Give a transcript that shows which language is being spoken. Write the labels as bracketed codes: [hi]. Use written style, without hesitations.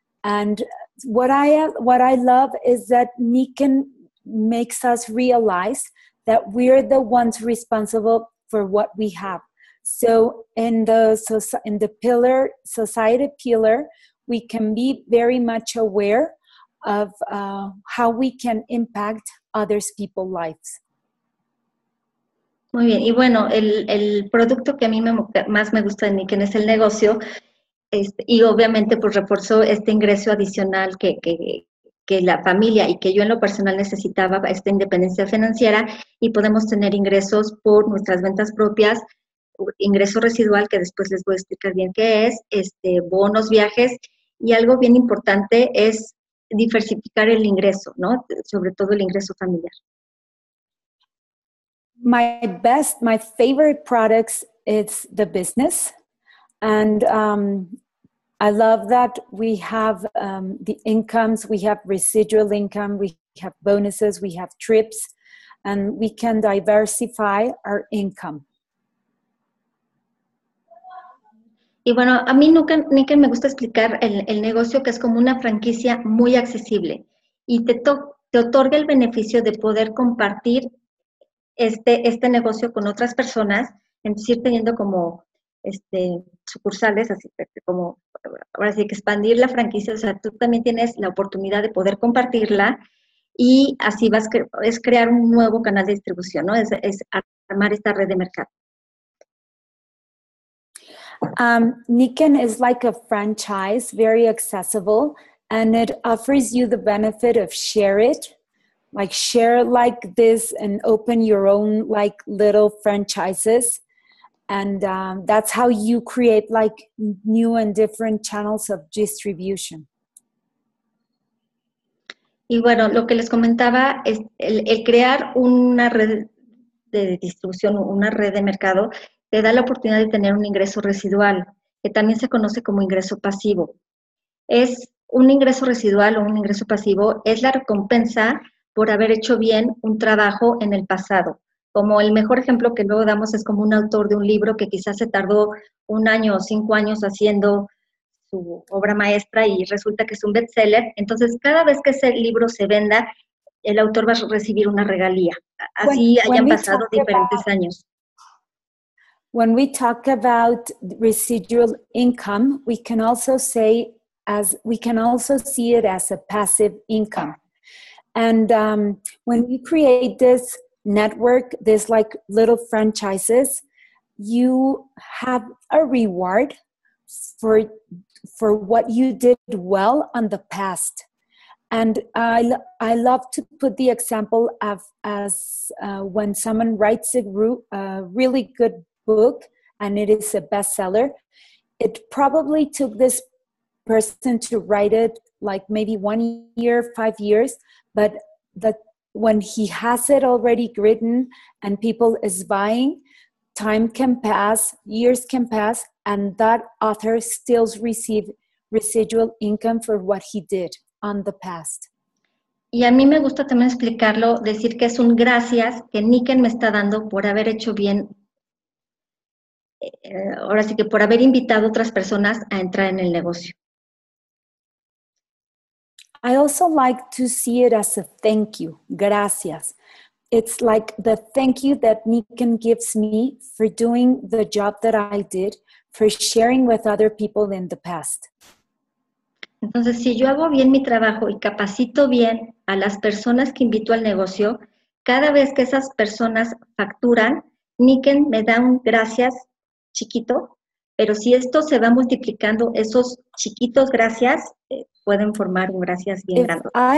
[en] And what I love is that Niken makes us realize that we're the ones responsible for what we have. So in the pillar, society pillar, we can be very much aware of how we can impact others people's lives. [es] Muy bien, y bueno, el producto que a mí más me gusta de Niken es el negocio, y obviamente pues reforzó este ingreso adicional que la familia y que yo en lo personal necesitaba, esta independencia financiera, y podemos tener ingresos por nuestras ventas propias, ingreso residual, que después les voy a explicar bien qué es, bonos, viajes, y algo bien importante es diversificar el ingreso, ¿no? Sobre todo el ingreso familiar. [en] My favorite products is the business, and I love that we have the incomes, we have residual income, we have bonuses, we have trips, and we can diversify our income. [es] Y bueno, a mí nunca, Niken, me gusta explicar el negocio, que es como una franquicia muy accesible y te otorga el beneficio de poder compartir este negocio con otras personas, es decir, teniendo como sucursales, así como ahora sí que expandir la franquicia, o sea, tú también tienes la oportunidad de poder compartirla y así es crear un nuevo canal de distribución, ¿no? Es armar esta red de mercado. [en] Niken is like a franchise, very accessible, and it offers you the benefit of share it, like share like this and open your own like little franchises, and that's how you create like new and different channels of distribution. [es] Y bueno, lo que les comentaba es el crear una red de distribución, una red de mercado, te da la oportunidad de tener un ingreso residual, que también se conoce como ingreso pasivo. Es un ingreso residual o un ingreso pasivo, es la recompensa por haber hecho bien un trabajo en el pasado. Como el mejor ejemplo que luego damos es como un autor de un libro que quizás se tardó un año o cinco años haciendo su obra maestra y resulta que es un bestseller. Entonces, cada vez que ese libro se venda, el autor va a recibir una regalía. Así hayan pasado diferentes años. [en] When we talk about residual income, we can also say see it as a passive income. And when you create this network, this like little franchises, you have a reward for what you did well on the past. And I love to put the example of as when someone writes a really good book and it is a bestseller, it probably took this person to write it like maybe 1 year, 5 years, but that when he has it already written and people is buying, time can pass, years can pass, and that author still receives residual income for what he did on the past. [es] Y a mí me gusta también explicarlo, decir que es un gracias que Niken me está dando por haber hecho bien. Ahora sí que por haber invitado otras personas a entrar en el negocio. [en] I also like to see it as a thank you, gracias. It's like the thank you that Niken gives me for doing the job that I did, for sharing with other people in the past. [es] Entonces, si yo hago bien mi trabajo y capacito bien a las personas que invito al negocio, cada vez que esas personas facturan, Niken me da un gracias chiquito, pero si esto se va multiplicando, esos chiquitos gracias pueden formar un gracias bien grande.